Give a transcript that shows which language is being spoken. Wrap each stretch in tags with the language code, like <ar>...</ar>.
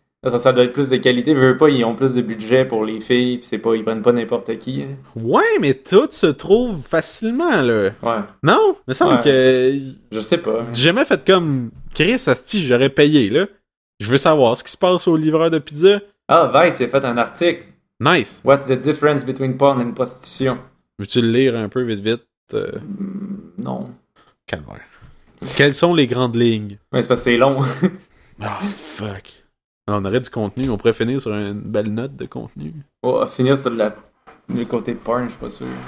<fr>Ça doit être plus de qualité. Je veux pas, ils ont plus de budget pour les filles, pis c'est pas... Ils prennent pas n'importe qui. Hein. Ouais, mais tout se trouve facilement, là. Ouais. Non? Il me semble que... Je sais pas. J'ai jamais fait comme... Chris, asti, j'aurais payé, là. Je veux savoir ce qui se passe au livreur de pizza. Ah, Vice a fait un article. Nice.</fr> <en>What's the difference between porn and prostitution?</en> <fr>Veux-tu le lire un peu vite? Non. Calvaire. Quelles sont les grandes lignes? Ouais, c'est parce que c'est long.</fr> <en>Oh, fuck.</en> <fr>Alors, on aurait du contenu, on pourrait finir sur une belle note de contenu. Oh, finir sur le côté porn, je suis pas sûr.</fr>